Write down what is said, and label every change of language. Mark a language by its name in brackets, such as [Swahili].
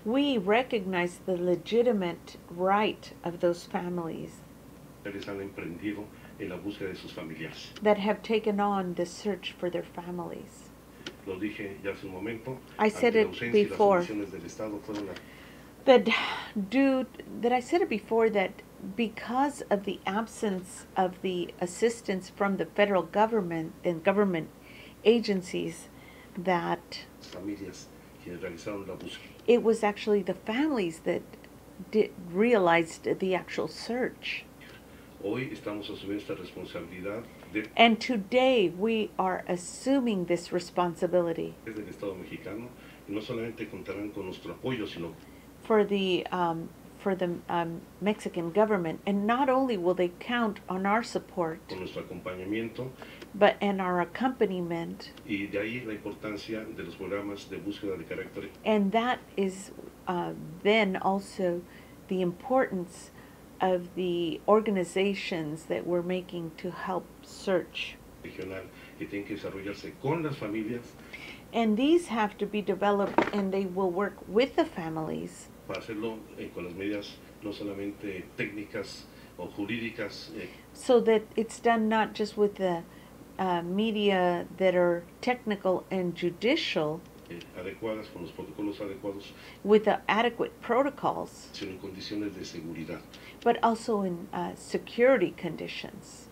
[English] We recognize the legitimate right of those families [Spanish] han emprendido en la búsqueda de sus familiares. [English] That have taken on the search for their families. [Spanish] Lo dije ya hace un momento. [English] I said it before. I said it before that because of the absence of the assistance from the federal government and government agencies, that [Spanish] familias quienes realizaron la búsqueda. [English] It was actually the families that realized the actual search. [Spanish] Hoy estamos asumiendo esta responsabilidad de, [English] and today we are assuming this responsibility. [Spanish] Desde el Estado mexicano, y no solamente contarán con nuestro apoyo, sino [English] for the Mexican government, and not only will they count on our support, [Spanish] con nuestro acompañamiento, [English] but in our accompaniment, [Spanish] y de ahí la importancia de los programas de búsqueda de carácter. [English] And that is then also the importance of the organizations that we're making to help search. [Spanish] Regional, que tienen que desarrollarse con las familias. [English] And these have to be developed, and they will work with the families. [Spanish] Para hacerlo con las medidas no solamente técnicas o jurídicas. [English] So that it's done not just with the media that are technical and judicial. [Spanish] Adecuadas, con los protocolos adecuados. [English] With the adequate protocols. [Spanish] Sino en condiciones de seguridad. [English] But also in security conditions.